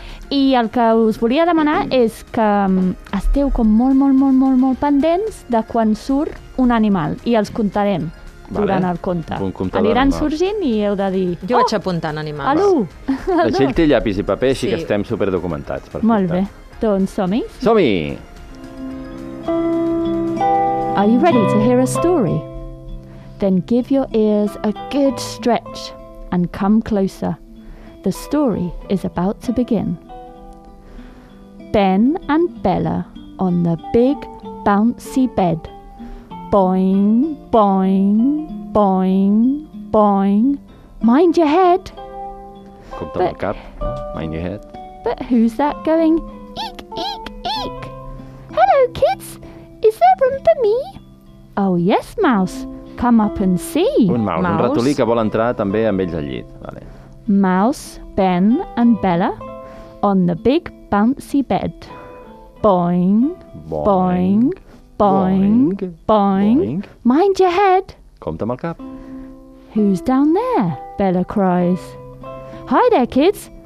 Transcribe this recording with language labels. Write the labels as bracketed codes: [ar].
[ca] I el que us volia demanar és que esteu com molt pendents de quan surt un animal i els contarem. Durant el conte. Aniran sorgint i heu de dir... Jo vaig apuntant animals. Alú! La gent té llapis i paper, així que estem superdocumentats. Molt bé. Doncs som-hi. Som-hi! [en] Are you ready to hear a story? Then give your ears a good stretch and come closer. The story is about to begin. Ben and Bella on the big bouncy bed. Boing, boing, boing, boing. Mind your head. [ca] Compte amb el cap. [en] Mind your head. But who's that going? Eek, eek, eek. Hello, kids. Is there room for me? Oh, yes, Mouse. Come up and see. [ca] Un ratolí que vol entrar també amb ells al llit. Vale. [en] Mouse, Ben and Bella on the big bouncy bed. Boing, boing. Boing. Boing, boing, boing. Mind your head. [ca] Compte amb el cap. [en] Who's down there? Bella cries. Hi there, kids.